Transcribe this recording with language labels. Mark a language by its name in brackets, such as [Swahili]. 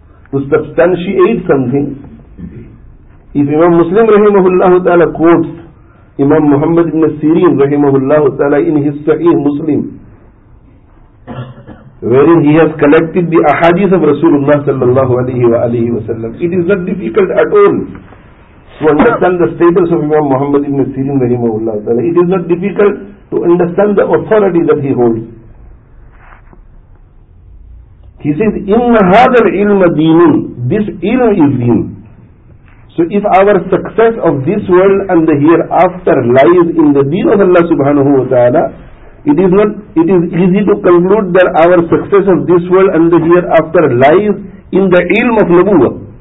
[English] To substantiate something, if Imam Muslim rahimahullah ta'ala quotes Imam Muhammad ibn Sirin rahimahullah ta'ala in his Sahih Muslim, wherein he has collected the ahadith of Rasulullah sallallahu alayhi wa alihi wa sallam, it is not difficult at all to understand the status of Imam Muhammad ibn Sirin rahimahullah ta'ala. It is not difficult to understand the authority that he holds. He says, [Arabic] إِنَّ هَذَا الْعِلْمَ دِينٌ. [English] This ilm is deen. So if our success of this world and the hereafter lies in the deen of Allah subhanahu wa ta'ala, it is easy to conclude that our success of this world and the hereafter lies in the ilm of Nubuwwah.